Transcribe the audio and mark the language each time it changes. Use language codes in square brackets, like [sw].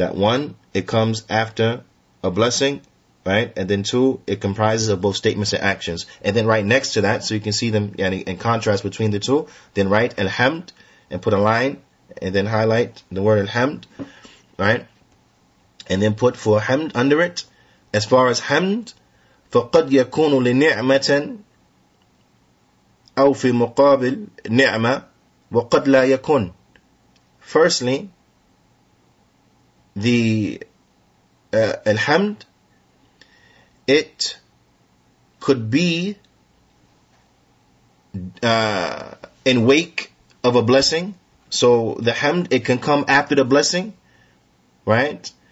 [en] That one, it comes after a blessing, right, and then two, it comprises of both statements and actions. And then right next to that, so you can see them in contrast between the two, then write alhamd and put a line, and then highlight the word alhamd, right, and then put for hamd under it. As far as hamd, [ar] فَقَدْ يَكُونُ لِنِعْمَةً أو في مقابل نعمة وقد لا يكون. [en] Firstly, the alhamd, it could be in wake of a blessing. So the hamd, it can come after the blessing, right?